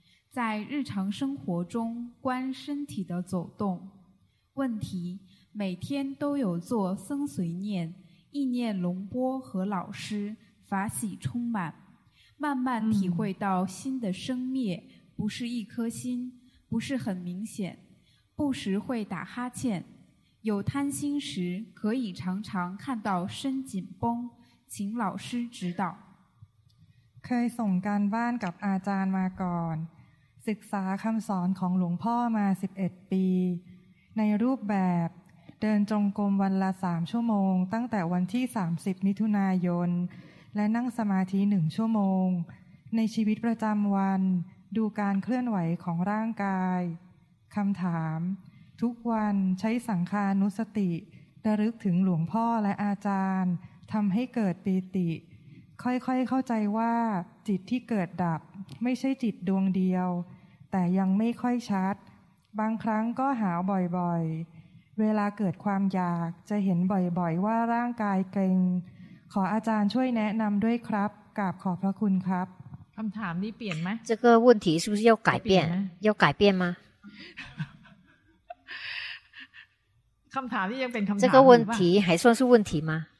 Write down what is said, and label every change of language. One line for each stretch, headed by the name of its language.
Chinese: 在日常生活中观身体的走动，问题每天都有做僧随念，意念龙波和老师，法喜充满，慢慢体会到心的生灭，不是一颗心，不是很明显，不时会打哈欠，有贪心时可以常常看到身紧绷，请老师指导。
Thai: เคยส่งการบ้านกับอาจารย์มาก่อนศึกษาคำสอนของหลวงพ่อมา11ปี ในรูปแบบเดินจงกรมวันละ3ชั่วโมงตั้งแต่วันที่30มิถุนายนและนั่งสมาธิ1ชั่วโมงในชีวิตประจำวันดูการเคลื่อนไหวของร่างกาย คำถามทุกวันใช้สังขารนุสติระลึกถึงหลวงพ่อและอาจารย์ทำให้เกิดปีติค่อยๆเข้าใจว่าจิตที่เกิดดับไม่ใช่จิตดวงเดียวแต่ยังไม่ค่อยชัดบางครั้งก็หาวบ่อยๆเวลาเกิดความอยากจะเห็นบ่อยๆว่าร่างกายเกร็งขออาจารย์ช่วยแนะนำด้วยครับกราบขอบพระคุณครับ คำถามนี้เปลี่ยนไหม
Chinese: 这个问题是不是要改变要改变吗
Thai: คำถามนี้ยังเป็นคำถ าม
Chinese: 这个问题还算是问题吗